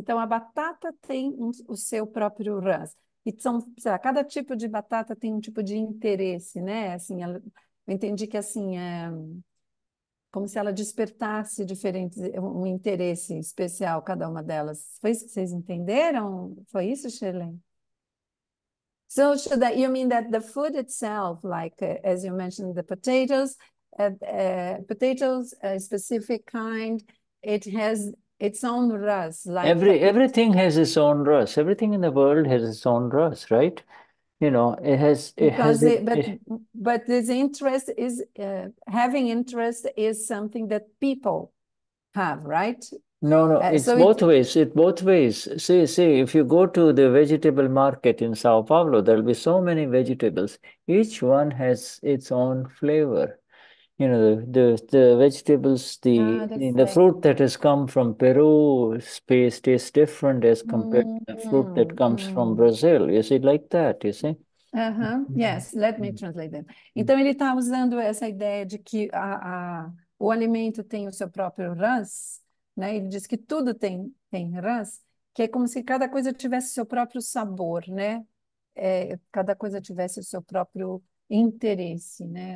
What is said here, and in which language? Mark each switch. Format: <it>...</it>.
<pt>Então a batata tem o seu próprio ras. E são, sei lá, cada tipo de batata tem um tipo de interesse, né? Assim, eu entendi que assim é como se ela despertasse diferentes um interesse especial cada uma delas. Foi isso que vocês entenderam? Foi isso, Shirley?</pt> <en>So, should that you mean that the food itself, like as you mentioned, the potatoes, a specific kind, it has its own ras, like Everything has its own ras. Everything in the world has its own ras, right? because but this interest is having interest is something that people have, right? No, it's it. both ways. It both ways. See, if you go to the vegetable market in São Paulo, there'll be so many vegetables. Each one has its own flavor. The vegetables, Ah, the fruit that has come from Peru tastes different as compared to the fruit that comes from Brazil. You see, like that, you see? Yes, let me translate them.</en> <pt>Então, ele está usando essa ideia de que o alimento tem o seu próprio ras, né? Ele diz que tudo tem ras, que é como se cada coisa tivesse o seu próprio sabor, né? Cada coisa tivesse o seu próprio interesse, né?</pt>